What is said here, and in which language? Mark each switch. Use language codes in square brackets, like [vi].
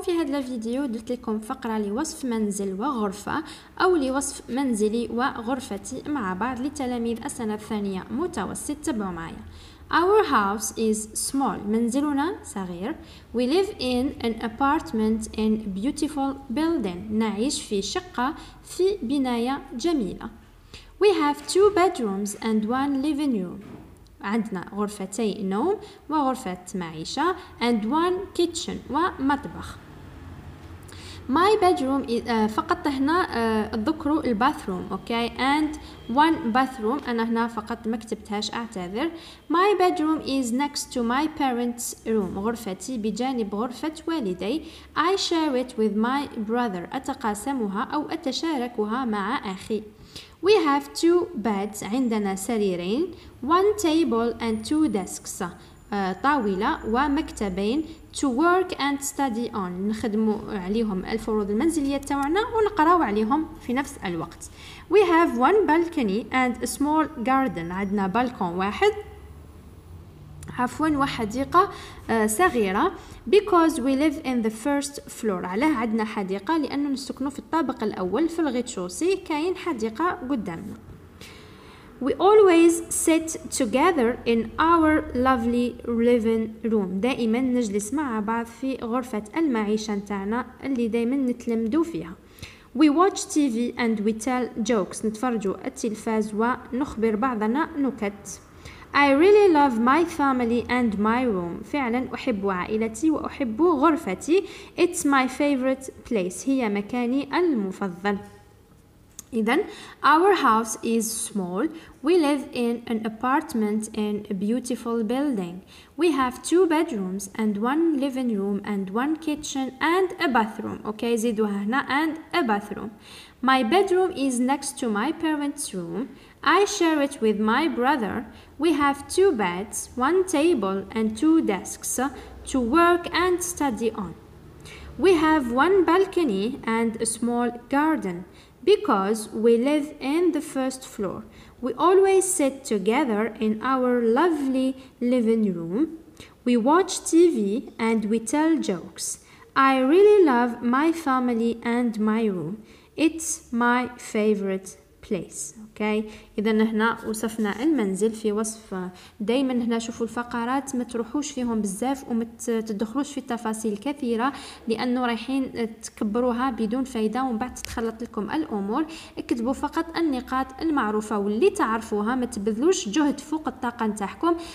[ar] في هذا الفيديو درت لكم فقرة لوصف منزل وغرفة أو لوصف منزلي وغرفتي مع بعض لتلاميذ السنة الثانية متوسط. تابعوا معي. [en] Our house is small. [ar] منزلنا صغير. [en] We live in an apartment in a beautiful building. [ar] نعيش في شقة في بناية جميلة. [en] We have two bedrooms and one living room. [ar] عندنا غرفتي نوم وغرفة معيشة [en] and one kitchen [ar] ومطبخ. [en] My bedroom is [ar] فقط هنا ذكروا الباثروم [en] okay and one bathroom. [ar] أنا هنا فقط ما كتبتهاش أعتذر. [en] My bedroom is next to my parents' room. [ar] غرفتي بجانب غرفة والدي. [en] I share it with my brother. [ar] أتقاسمها أو أتشاركها مع أخي. [en] We have two beds. [ar] عندنا سريرين. [en] One table and two desks. [ar] طاولة ومكتبين. [en] To work and study on. [ar] نخدم عليهم الفروض المنزلية تاعنا ونقرأ عليهم في نفس الوقت. [en] We have one balcony and a small garden. [ar] عندنا بالكون واحد. عفواً وحديقة صغيرة. [en] Because we live in the first floor. [ar] علاه عندنا حديقة؟ لأنه نسكنو في الطابق الأول في الغيتشوسي كاين حديقة قدامنا. [en] We always sit together in our lovely living room. [ar] دائماً نجلس مع بعض في غرفة المعيشة نتاعنا اللي دائماً نتلمدو فيها. [en] We watch TV and we tell jokes. [ar] نتفرجو التلفاز ونخبر بعضنا نكت. [en] I really love my family and my room. [ar] فعلا أحب عائلتي وأحب غرفتي. [en] It's my favorite place. [ar] هي مكاني المفضل. [en] إذن our house is small. We live in an apartment in a beautiful building. We have two bedrooms and one living room and one kitchen and a bathroom. Okay, [ar] زيدوها هنا [en] and a bathroom. My bedroom is next to my parents' room. I share it with my brother. We have two beds, one table and two desks to work and study on. We have one balcony and a small garden. Because we live in the first floor, we always sit together in our lovely living room. We watch TV and we tell jokes. I really love my family and my room. It's my favorite place. Okay. [ar] إذن هنا وصفنا المنزل في وصف. دائما هنا شوفوا الفقرات ما تروحوش فيهم بزاف وما تدخلوش في تفاصيل كثيرة لأنه رايحين تكبروها بدون فايدة ومن بعد تتخلط لكم الأمور. اكتبوا فقط النقاط المعروفة واللي تعرفوها. ما تبذلوش جهد فوق الطاقة نتاعكم.